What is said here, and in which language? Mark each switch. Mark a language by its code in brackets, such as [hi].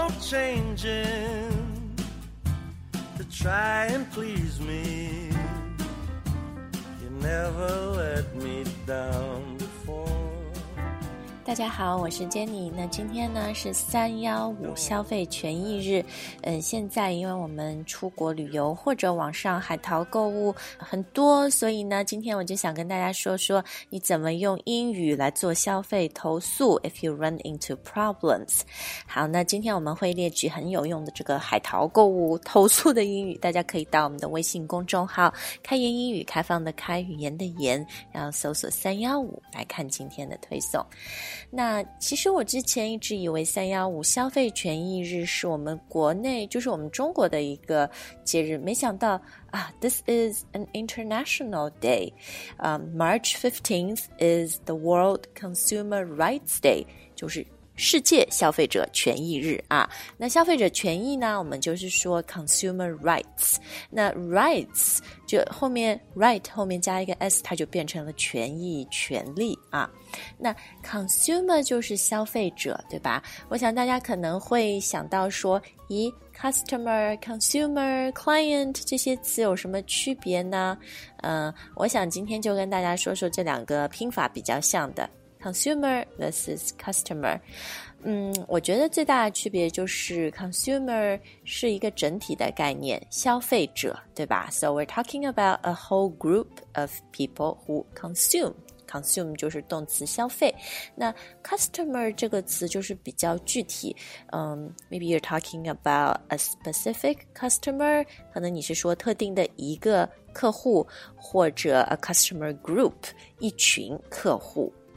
[en] changing to try and please me. You never let me down before. [zh] 大家好，我是 Jenny。那今天呢是315消费权益日。现在因为我们出国旅游或者网上海淘购物很多，所以呢今天我就想跟大家说说你怎么用英语来做消费投诉 [en] if you run into problems。 [zh] 好，那今天我们会列举很有用的这个海淘购物投诉的英语，大家可以到我们的微信公众号开言英语，开放的开，语言的言，然后搜索315来看今天的推送。那其实我之前一直以为315消费权益日是我们国内，就是我们中国的一个节日，没想到啊 [en] This is an international day. March 15th is the World Consumer Rights Day, [zh] 就是世界消费者权益日啊。那消费者权益呢，我们就是说 consumer rights。那 rights 就后面 right 后面加一个 s， 它就变成了权益权利啊。那 consumer 就是消费者，对吧？我想大家可能会想到说，咦， customer, consumer, client 这些词有什么区别呢？我想今天就跟大家说说这两个拼法比较像的consumer versus customer。我觉得最大的区别就是 consumer 是一个整体的概念，消费者，对吧？ [en] So we're talking about a whole group of people who consume. [zh] Consume 就是动词消费。那 customer 这个词就是比较具体， [en] maybe you're talking about a specific customer, [zh] 可能你是说特定的一个客户，或者 [en] a customer group, [zh] 一群客户。